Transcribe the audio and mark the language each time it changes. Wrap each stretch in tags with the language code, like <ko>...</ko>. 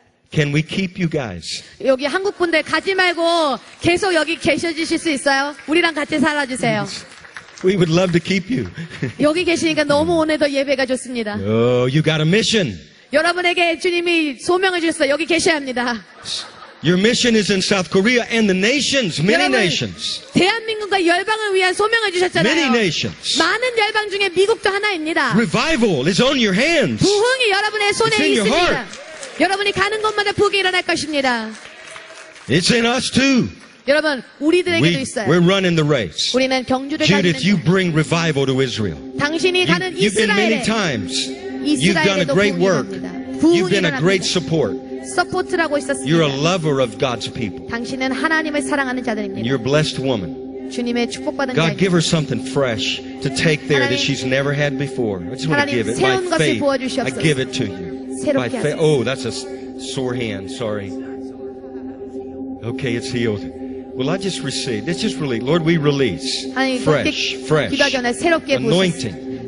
<en>Can we keep you guys?</en> <ko>여기 한국 분들 가지 말고 계속 여기 계셔주실 수 있어요? 우리랑 같이 살아주세요.</ko> <en>We would love to keep you.</en> <ko>여기 계시니까 너무 오늘도 예배가 좋습니다.</ko> <en>Oh, you got a mission.</en> <ko>여러분에게 주님이 소명을 주셨어 여기 계셔야 합니다.</ko> <en>Your mission is in South Korea and the nations, many</en> <ko>여러분,</ko> <en>nations.</en> <ko>대한민국과 열방을 위한 소명을 주셨잖아요.</ko> <en>Many nations.</en> <ko>많은 열방 중에 미국도 하나입니다.</ko> <en>Revival is on your hands.</en> <ko>부흥이 여러분의 손에</ko> <en>it's in</en> <ko>있습니다.</ko> <en>Your heart.</en> <ko>여러분이 가는 곳마다 부흥이 일어날 것입니다.</ko> <en>It's in us too.</en> <ko>여러분, 우리들에게도 있어요.</ko> <en>We're running the race.</en> <ko>우리는 경주를</ko> <en>Judith,</en> <ko>가는</ko> <en>you bring revival to Israel.</en> <ko>당신이 가는 이스라엘에</ko> <en>been many times. You've done a great work. You've been a great support. You're a lover of God's people.</en> <ko>당신은 하나님을 사랑하는 자들입니다.</ko> <en>You're a blessed woman.</en> <ko>주님의 축복받은</ko> <en>God, give her something fresh to take there that she's never had before. I just want to give it. By faith, I give it to you. By faith. Oh, that's a sore hand. Sorry. Okay, it's healed. Will I just receive? Let's just release. Lord, we release. Fresh, fresh. Anointing.</en>